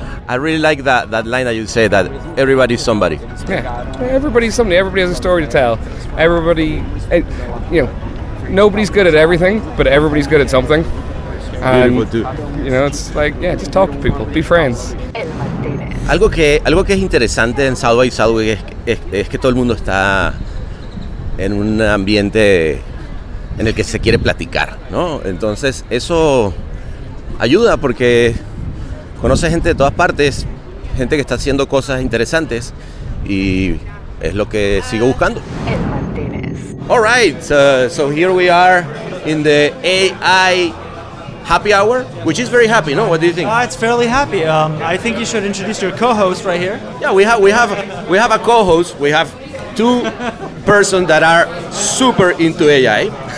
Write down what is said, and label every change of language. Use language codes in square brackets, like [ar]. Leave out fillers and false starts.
[en] I really like that line that you say, that everybody's somebody. Yeah, everybody's somebody. Everybody has a story to tell. Everybody, you know, nobody's good at everything, but everybody's good at something. And, you know, it's like, yeah, just talk to people, be friends. [es] Algo que es interesante en Southway Southway es que todo el mundo está en un ambiente en el que se quiere platicar, ¿no? Entonces eso ayuda porque conoce gente de todas partes, gente que está haciendo cosas interesantes y es lo que sigo buscando. El Martínez. [en] All right, so here we are in the AI happy hour, which is very happy, no? What do you think? It's fairly happy. I think you should introduce your co-host right here. Yeah, we have a co-host. We have two persons that are super into AI.